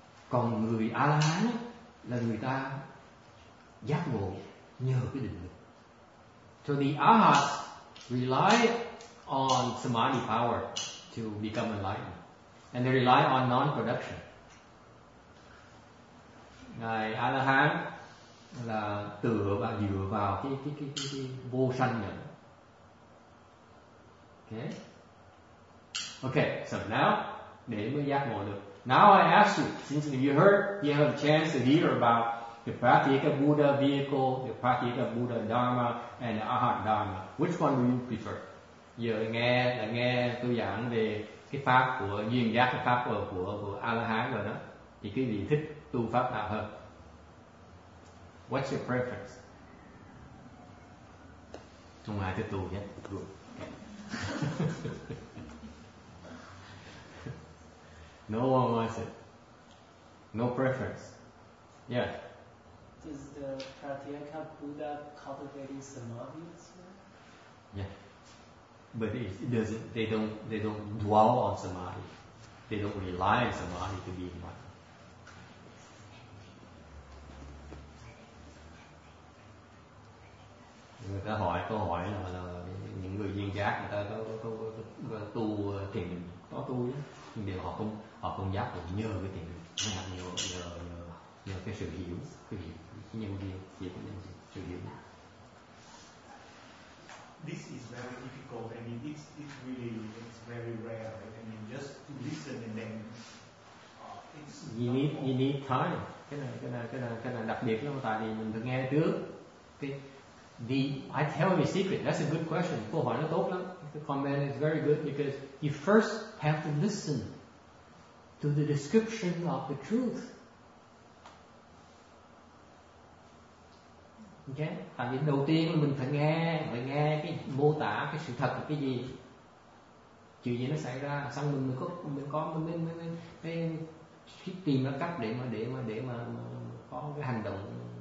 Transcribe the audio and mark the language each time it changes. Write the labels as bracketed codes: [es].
[vi] Còn người A-la-hán là người ta giác ngộ nhờ cái định lực. [en] So the arahats rely on samadhi power to become enlightened, and they rely on non-production. [vi] Ngài A-la-hán là tựa và dựa vào cái vô sanh nhẫn. [en] Okay. Okay. So now, [vi] để mới giác ngộ được. [en] Now I ask you, since you heard, you have a chance to hear about the Pratyeka Buddha vehicle, the Pratyeka Buddha Dharma, and the Arhat Dharma. Which one do you prefer? [vi] Giờ nghe là nghe tôi giảng về cái pháp của duyên giác, cái pháp của A-la-hán rồi đó. Thì quý vị thích tu pháp nào hơn? [en] What's your preference? [vi] Trung ai thích tu nhất? [en] No one wants it. No preference. Yeah. Does the Pratyeka Buddha cultivating samadhi as well? Yeah. But it doesn't, they don't dwell on samadhi. They don't rely on samadhi to be enlightened. [vi] Người ta hỏi câu hỏi là những người duyên giác người ta có tu thiền định, có tu chứ, nhưng điều họ không giác được nhờ cái thiền định, nhờ cái sự hiểu, cái nhân duyên, cái sự hiểu. [en] This is very difficult. I mean, it's very rare. Right? I mean, just to listen and then you need time. [vi] Cái này đặc biệt lắm, tại vì mình được nghe trước. [en] I tell you a secret. That's a good question. [vi] Câu hỏi nó tốt lắm. [en] The comment is very good because you first have to listen to the description of the truth. Okay? [vi] Tại vì đầu tiên mình phải nghe cái mô tả cái sự thật của cái gì, chuyện gì nó xảy ra, xong mình mới tìm ra cách để mà có cái hành động.